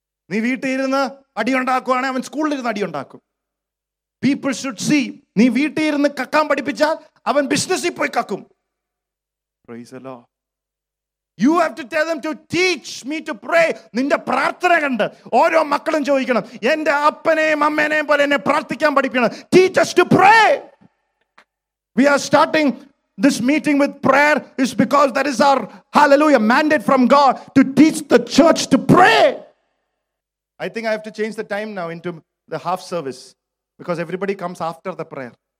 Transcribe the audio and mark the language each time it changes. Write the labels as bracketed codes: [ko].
[ml] നീ വീട്ടിലിരുന്ന് അടി ഉണ്ടാക്കുകയാണെങ്കിൽ അവൻ സ്കൂളിലിരുന്ന് അടി ഉണ്ടാക്കും. [en] people should see, [ml] നീ വീട്ടിലിരുന്ന് കക്കാൻ പഠിപ്പിച്ചാൽ അവൻ ബിസിനസ്സിൽ പോയി കക്കും. [en] Praise the Lord. You have to tell them to teach me to pray. [ml] നിന്റെ പ്രാർത്ഥന കണ്ട് ഓരോ മക്കളും ചോദിക്കണം, എന്റെ അപ്പനെയും അമ്മേനെയും പോലെ എന്നെ പ്രാർത്ഥിക്കാൻ പഠിപ്പിക്കണം. [en] Teach us to pray. We are starting this meeting with prayer is because that is our, hallelujah, mandate from God to teach the church to pray. I think I have to change the time now into the half service because everybody comes after the prayer.